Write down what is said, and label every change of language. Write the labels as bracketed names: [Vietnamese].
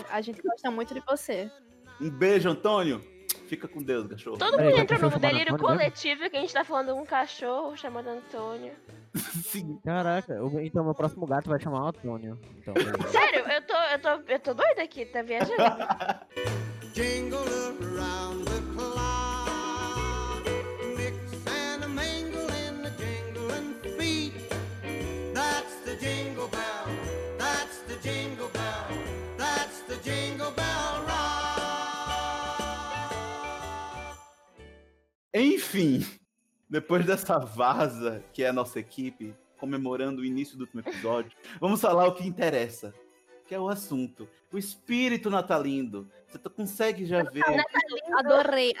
[Portuguese] A gente gosta muito de você. Um beijo, Antônio. Fica com Deus, cachorro. Todo mundo entra no delírio coletivo que a gente tá falando um cachorro chamado Antônio. Sim. Caraca, então meu próximo gato vai chamar o Antônio. Então, sério, eu tô doida aqui, tá viajando? [English] Jingle around the clock. Mix and a mingle in the jingling feet. That's the jingle bell. That's the jingle bell. That's the jingle bell rock. [Portuguese] Enfim, depois dessa vaza que é a nossa equipe, comemorando o início do último episódio, vamos falar o que interessa, que é o assunto. O espírito natalindo. Você consegue já ver... Natalindo. Adorei.